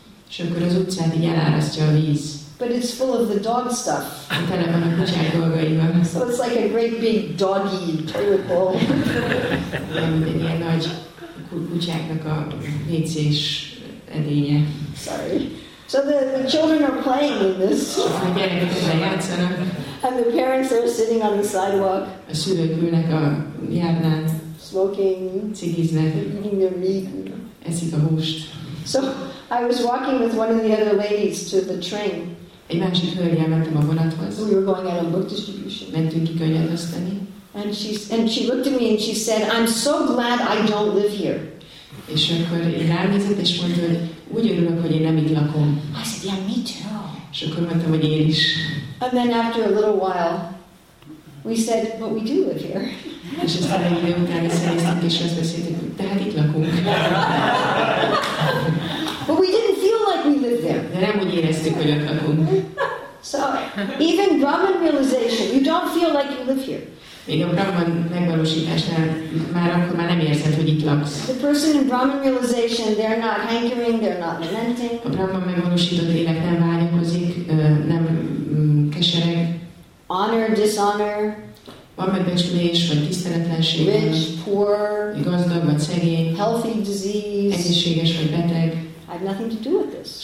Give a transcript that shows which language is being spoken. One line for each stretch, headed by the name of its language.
Hungarian: És akkor az utcát így elárasztja a víz.
English: But it's full of the dog stuff.
Hungarian: Tele van a kutyák dolgaival.
English: So it's like a great big doggy toilet bowl.
Hungarian: Ilyen nagy kutyáknak a vécés edénye.
English: Sorry. So the children are playing in this.
Hungarian: A gyerekek ezzel játszanak.
English: And the parents are sitting on the sidewalk.
Hungarian: A szülők ülnek a járdán.
English: Smoking.
Hungarian: Cigiznek.
English: Eating their meat.
Hungarian: Eszik a húst.
English: So I was walking with one of the other ladies to the train.
Hungarian: Egy másik hölgyel mentem a vonathoz.
English: We were going out on book distribution.
Hungarian: Mentünk ki könyvet osztani.
English: And she looked at me and she said, "I'm so glad I don't live here."
Hungarian: És akkor rám nézett és mondta, hogy úgy örülök, hogy én nem itt lakom.
English: I said, "Yeah, me too."
Hungarian: És akkor mondtam, hogy én is.
English: And then after a little while, we said, "But we do live here."
Hungarian: És aztán egy idő után visszanéztünk és azt beszéltük, hogy tehát itt lakunk.
English: But we didn't feel like we lived there.
Hungarian: De nem úgy éreztük, hogy ott lakunk.
English: So even Brahman realization, you don't feel like you live here.
Hungarian: Még a Brahman megvalósításnál már akkor már nem érzed, hogy itt laksz.
English: The person in Brahman realization, they're not hankering, they're not lamenting.
Hungarian: A Brahman megvalósított élet nem vágyakozik, nem kesereg.
English: Honor, dishonor.
Hungarian: Van megbecsülés, vagy tiszteletlenség.
English: Rich, poor.
Hungarian: Gazdag, vagy szegény.
English: Healthy, disease.
Hungarian: Egészséges, vagy beteg.
English: I have nothing to do with this.